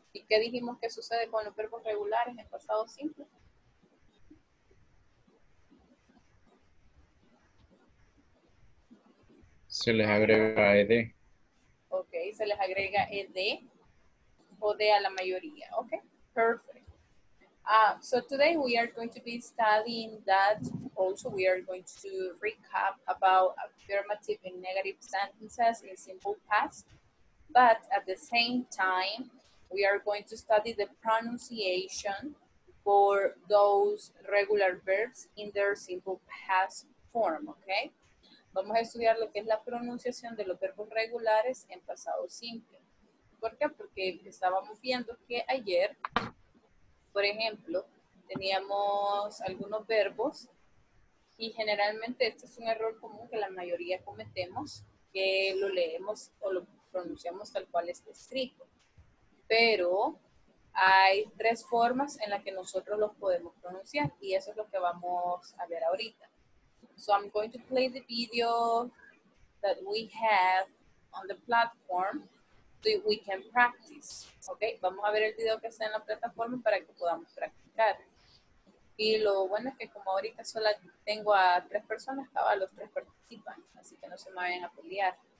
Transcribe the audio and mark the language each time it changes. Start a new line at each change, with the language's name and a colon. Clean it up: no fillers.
Spanish: ¿Y qué dijimos que sucede con los verbos regulares en el pasado simple? Se les agrega ed. Ok, se les agrega ed o de a la mayoría.
English: Ok, perfect. So today we are going to be studying that. Also, we are going to recap about affirmative and negative sentences in simple past. But at the same time, we are going to study the pronunciation for those regular verbs in their simple past form. Ok.
Spanish: Vamos a estudiar lo que es la pronunciación de los verbos regulares en pasado simple. ¿Por qué? Porque estábamos viendo que ayer, por ejemplo, teníamos algunos verbos y generalmente este es un error común que la mayoría cometemos, que lo leemos o lo pronunciamos tal cual está escrito. Pero hay tres formas en las que nosotros los podemos pronunciar y eso es lo que vamos a ver ahorita.
English: So I'm going to play the video that we have on the platform so we can practice.
Spanish: Okay, vamos a ver el video que está en la plataforma para que podamos practicar. Y lo bueno es que como ahorita solo tengo a tres personas, cada los tres participan, así que no se me vayan a pelear.